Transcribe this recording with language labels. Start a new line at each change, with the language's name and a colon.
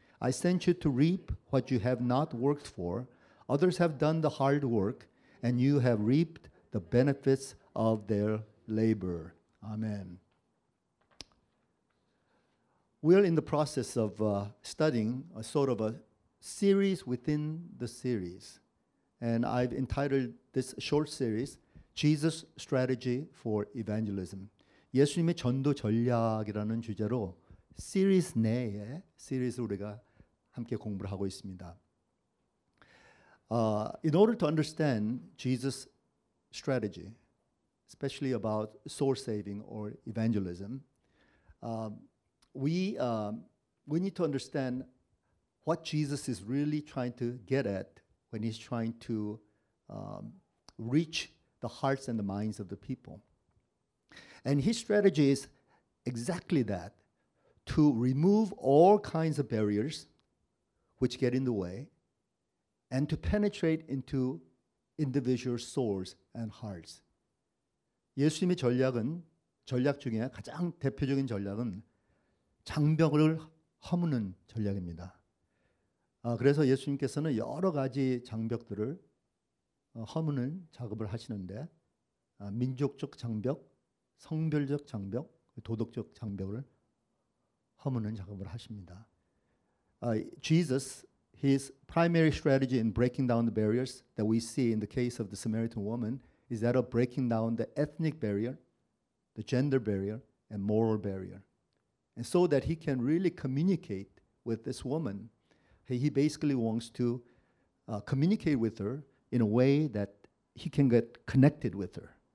English: I sent you to reap what you have not worked for. Others have done the hard work, and you have reaped the benefits of their labor. Amen. We are in the process of studying a sort of a series within the series. And I've entitled this short series, Jesus' Strategy for Evangelism.
Korean: 예수님의 전도 전략이라는 주제로 시리즈 내에 시리즈를 우리가 함께 공부를 하고 있습니다.
English: In order to understand Jesus' strategy, especially about soul saving or evangelism, we need to understand what Jesus is really trying to get at when he's trying to reach the hearts and the minds of the people. And his strategy is exactly that, to remove all kinds of barriers which get in the way and to penetrate into individual souls and hearts.
Korean: 예수님의 전략은 전략 중에 가장 대표적인 전략은 장벽을 허무는 전략입니다. 그래서 예수님께서는 여러 가지 장벽들을 허무는 작업을 하시는데 민족적 장벽, 성별적 장벽, 도덕적 장벽을 허무는 작업을 하십니다.
English: Jesus, his primary strategy in breaking down the barriers that we see in the case of the Samaritan woman is that of breaking down the ethnic barrier, the gender barrier, and moral barrier. And so that he can really communicate with this woman, he basically wants to communicate with her in a way that he can get connected with her.